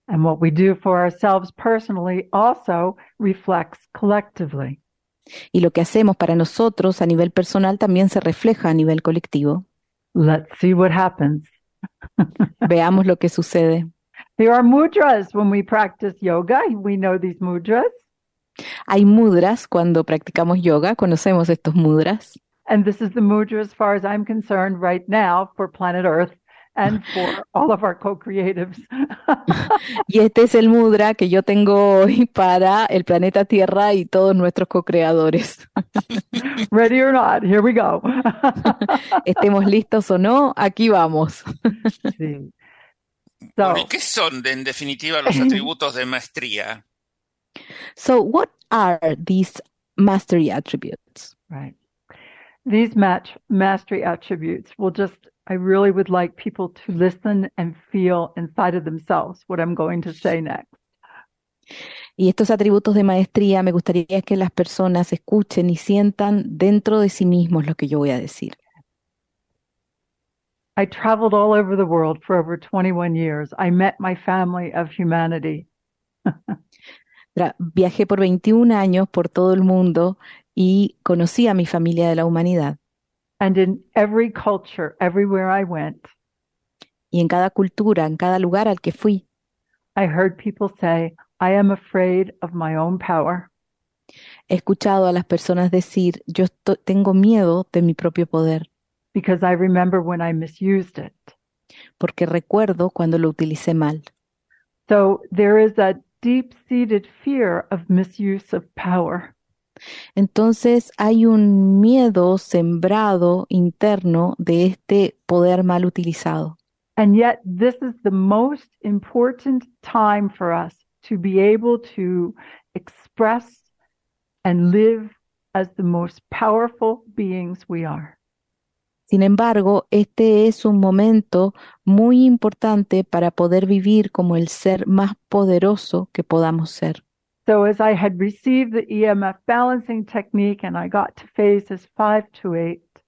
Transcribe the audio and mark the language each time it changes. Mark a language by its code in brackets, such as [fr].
[en] And what we do for ourselves personally also reflects collectively. [es] Y lo que hacemos para nosotros a nivel personal también se refleja a nivel colectivo. [en] Let's see what happens. [es] Veamos lo que sucede. [en] There are mudras when we practice yoga. We know these mudras. [es] Hay mudras cuando practicamos yoga, conocemos estos mudras. [en] And this is the mudra, as far as I'm concerned, right now for planet Earth and for all of our co-creatives. [es] Y este es el mudra que yo tengo hoy para el planeta Tierra y todos nuestros co-creadores. [en] Ready or not, here we go. [es] Estemos listos o no, aquí vamos. Sí. Bueno, ¿y qué son en definitiva los atributos de maestría? [en] So, what are these mastery attributes? Right. These match mastery attributes will just, I really would like people to listen and feel inside of themselves what I'm going to say next. [es] Y estos atributos de maestría me gustaría que las personas escuchen y sientan dentro de sí mismos lo que yo voy a decir. [en] I traveled all over the world for over 21 years. I met my family of humanity. [es] Viajé por 21 años por todo el mundo y conocí a mi familia de la humanidad. [en] And in every culture, everywhere I went, [es] Y en cada cultura, en cada lugar al que fui, [en] I heard people say, I am afraid of my own power. [es] he escuchado a las personas decir, yo tengo miedo de mi propio poder, [en] Because I remember when I misused it. [es] porque recuerdo cuando lo utilicé mal. [en] So there is a deep-seated fear of misuse of power. [es] Entonces hay un miedo sembrado interno de este poder mal utilizado. [en] And yet, this is the most important time for us to be able to express and live as the most powerful beings we are. [es] Sin embargo, este es un momento muy importante para poder vivir como el ser más poderoso que podamos ser. [en] So, as I had received the EMF balancing technique and I got to phases 5 to 8,